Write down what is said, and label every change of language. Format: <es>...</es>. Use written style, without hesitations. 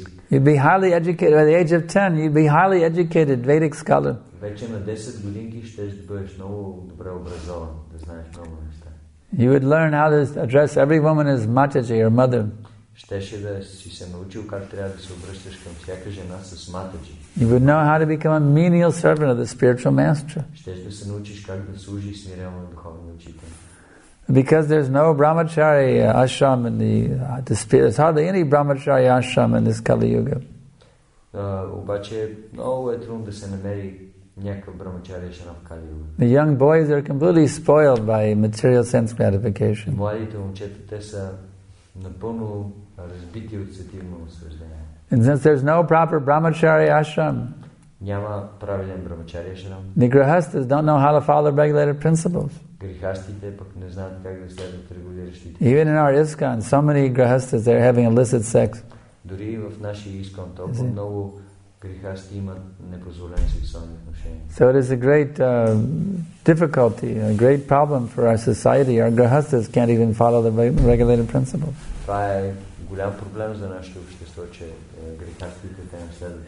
<en>You'd be highly educated by the age of 10. You'd be highly educated Vedic scholar.</en> <bg>Вече на 10 годинки щеш да бъдеш много добре образован, да знаеш много неща.</bg> <en>You would learn how to address every woman as Mataji or mother.</en> <bg>Щеше да си се научил как трябва да се обръщаш към всяка жена с Mataji.</bg> <en>You would know how to become a menial servant of the spiritual master.</en> <bg>Щеш да се научиш как да служиш смирено на духовния учител.</bg> <en>Because there's no Brahmachari ashram in the spirit. There's hardly any Brahmachari ashram in this Kali Yuga.</en> <bg>Обаче много е трудно да се намери някакъв Брахмачари ашрам в Кали Юга.</bg> <en>The young boys are completely spoiled by material sense gratification.</en> <bg>Младите момчета те са напълно разбити от сетивно осъждение.</bg> <en>And since there's no proper Brahmachari ashram,</en> <bg>няма правилен Брахмачари ашрам,</bg> <en>the grihasthas don't know how to follow regulated principles.</en> <bg>Грихастите пък не знаят как да следват регулиращите.</bg> <en>Even in our ISKCON, so many grihasthas are having illicit sex.</en> <bg>Дори в нашия ISKCON толкова много грихасти имат непозволени сексуални отношения.</bg> <en>So it is a great difficulty, a great problem for our society. Our grihasthas can't even follow the regulated principle.</en> <bg>Това е голям проблем за нашето общество, че грихастите те не следват.</bg>